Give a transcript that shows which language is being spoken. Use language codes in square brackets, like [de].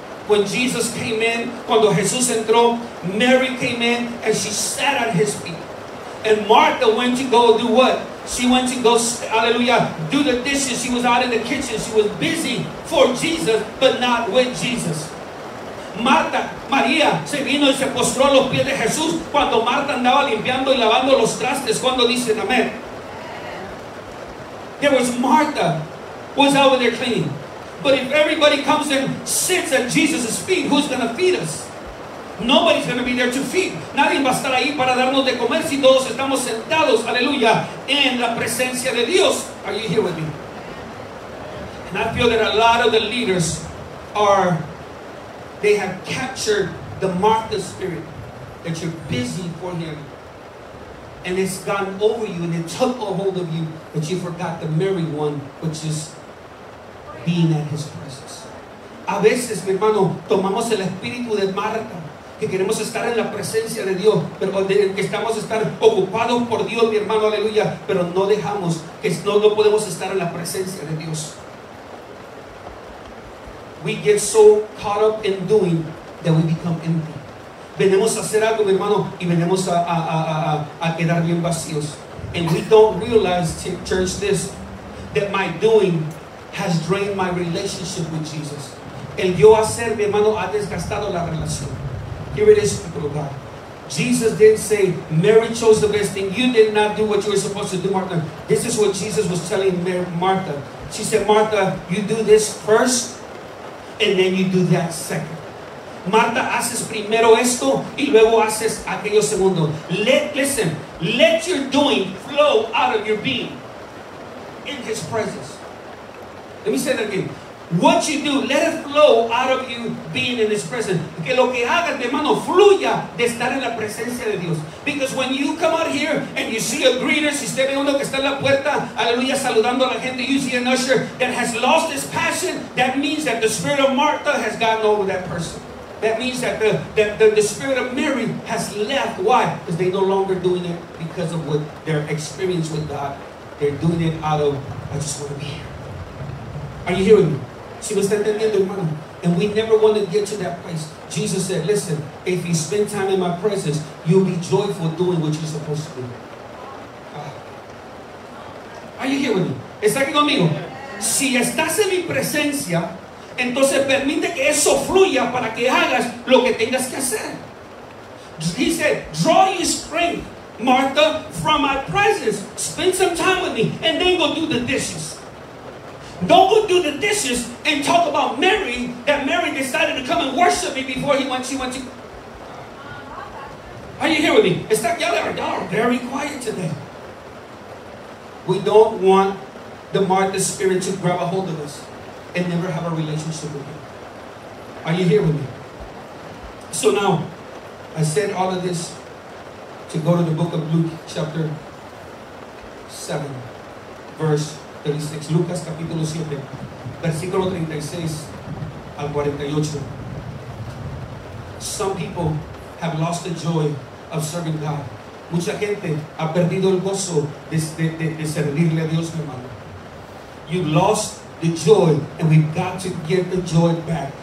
[en] When Jesus came in, [es] cuando Jesús entró, [en] Mary came in and she sat at his feet. And Martha went to go do what? She went to go, hallelujah, do the dishes. She was out in the kitchen. She was busy for Jesus, but not with Jesus. [es] Martha, María, se vino y se postró a los pies de Jesús cuando Martha andaba limpiando y lavando los trastes. Cuando dicen amén. [en] There was Martha was over there cleaning. But if everybody comes and sits at Jesus' feet, who's going to feed us? Nobody's going to be there to feed. [es] Nadie va a estar ahí para darnos de comer si todos estamos sentados, aleluya, en la presencia de Dios. [en] Are you here with me? And I feel that a lot of the leaders are, they have captured the Martha spirit, that you're busy for him. And it's gone over you and it took a hold of you, but you forgot the Mary one, which is being at his presence. [es] A veces, mi hermano, tomamos el espíritu de Martha, que queremos estar en la presencia de Dios, pero que estamos estar ocupados por Dios, mi hermano, aleluya, pero no dejamos, que no podemos estar en la presencia de Dios. [en] We get so caught up in doing that we become empty. [es] Venemos a hacer algo, mi hermano, y venemos a quedar bien vacíos. [en] And we don't realize, church, this, that my doing has drained my relationship with Jesus. [es] El yo hacer, mi hermano, ha desgastado la relación. [en] Here it is, people of God. Jesus didn't say, Mary chose the best thing. You did not do what you were supposed to do, Martha. This is what Jesus was telling Martha. She said, Martha, you do this first, and then you do that second. [es] Martha, haces primero esto, y luego haces aquello segundo. [en] Listen, let your doing flow out of your being in his presence. Let me say that again. What you do, let it flow out of you being in his presence. [es] Que lo que hagas, hermano, fluya de estar en la presencia de Dios. [en] Because when you come out here and you see a greeter, [es] si usted ve uno que está en la puerta, aleluya, saludando a la gente, [en] you see an usher that has lost his passion, that means that the spirit of Martha has gotten over that person. That means that the spirit of Mary has left. Why? Because they're no longer doing it because of what their experience with God. They're doing it out of, I just want to be here. Are you hearing me? [es] Si me está entendiendo, hermano. [en] And we never want to get to that place. Jesus said, listen, if you spend time in my presence, you'll be joyful doing what you're supposed to do. Are you hearing me? [es] ¿Está aquí conmigo? Si estás en mi presencia, entonces permite que eso fluya para que hagas lo que tengas que hacer. [en] He said, draw your strength, Martha, from my presence. Spend some time with me and then go do the dishes. Don't go do the dishes and talk about Mary, that Mary decided to come and worship me before she went to. Are you here with me? Y'all are very quiet today. We don't want the Martha spirit to grab a hold of us and never have a relationship with him. Are you here with me? So now, I said all of this to go to the book of Luke, chapter 7, verse 36. [es] Lucas, capítulo 7, versículo 36 al 48. [en] Some people have lost the joy of serving God. [es] Mucha gente ha perdido el gozo de servirle a Dios, mi hermano. [en] You've lost the joy, and we've got to get the joy back.